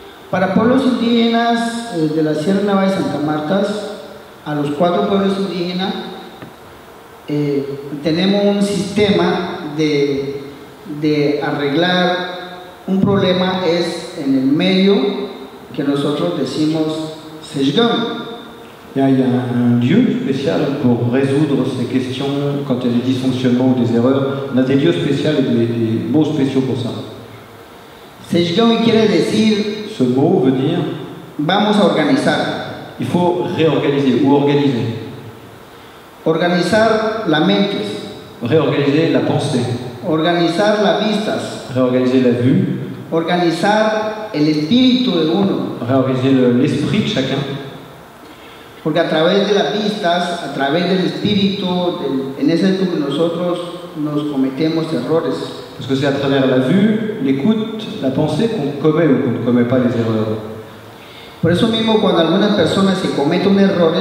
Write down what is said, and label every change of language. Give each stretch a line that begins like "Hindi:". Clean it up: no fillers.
Spanish: Para pueblos indígenas de la Sierra Nevada de Santa Marta, a los cuatro pueblos indígenas, tenemos un sistema de arreglar un problema es en el medio que nosotros decimos Sejgam.
French: Il y a un dieu spécial pour résoudre ces questions quand il y a des dysfonctionnements ou des erreurs. On a des dieux spéciaux et des mots spéciaux pour ça.
Spanish: Sejgam quiere decir.
French: Ce mot veut dire.
Spanish: Vamos a organizar.
French: Il faut réorganiser ou organiser.
Spanish: Organizar la mente.
French: Réorganiser la pensée.
Spanish: Organizar las vistas.
French: Réorganiser la vue.
Spanish: Organizar el espíritu de uno.
French: Réorganiser l'esprit de chacun.
Spanish: Porque a través de las vistas, a través del espíritu, en ese sentido que nosotros nos cometemos errores.
French: Parce que c'est à travers la vue, l'écoute, la pensée qu'on commet ou qu'on ne commet pas les erreurs.
Spanish: Por eso mismo, cuando alguna persona se comete un error,